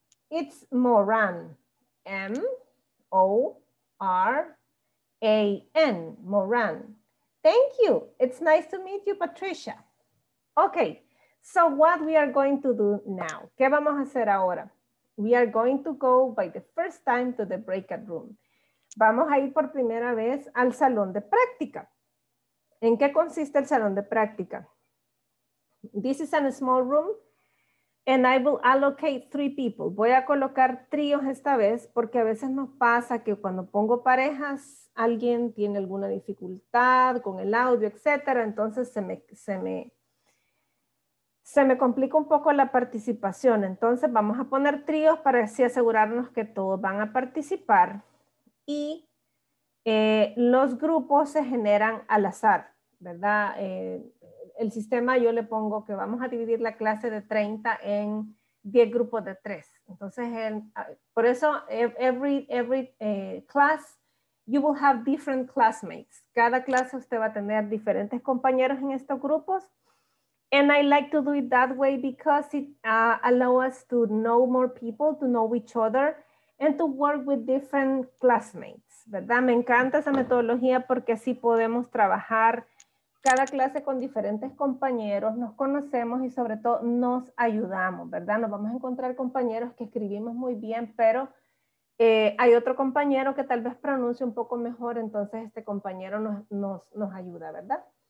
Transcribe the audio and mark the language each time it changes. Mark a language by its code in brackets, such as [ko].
[en] It's Moran, M-O-R-A-N, Moran. Thank you. It's nice to meet you, Patricia. Okay, so what we are going to do now? [es] ¿Qué vamos a hacer ahora? [en] We are going to go by the first time to the breakout room. [es] Vamos a ir por primera vez al salón de práctica. ¿En qué consiste el salón de práctica? [en] This is a small room and I will allocate 3 people. [es] Voy a colocar tríos esta vez porque a veces nos pasa que cuando pongo parejas, alguien tiene alguna dificultad con el audio, etcétera. Entonces se me complica un poco la participación. Entonces vamos a poner tríos para así asegurarnos que todos van a participar. Y los grupos se generan al azar, ¿verdad? El sistema yo le pongo que vamos a dividir la clase de 30 en 10 grupos de 3. Entonces, por eso, [en] every class, you will have different classmates. [es] Cada clase usted va a tener diferentes compañeros en estos grupos. [en] And I like to do it that way because it allows us to know more people, to know each other, and to work with different classmates, [es] ¿verdad? Me encanta esa metodología porque así podemos trabajar cada clase con diferentes compañeros, nos conocemos y sobre todo nos ayudamos, ¿verdad? Nos vamos a encontrar compañeros que escribimos muy bien, pero hay otro compañero que tal vez pronuncie un poco mejor, entonces este compañero nos ayuda, ¿verdad?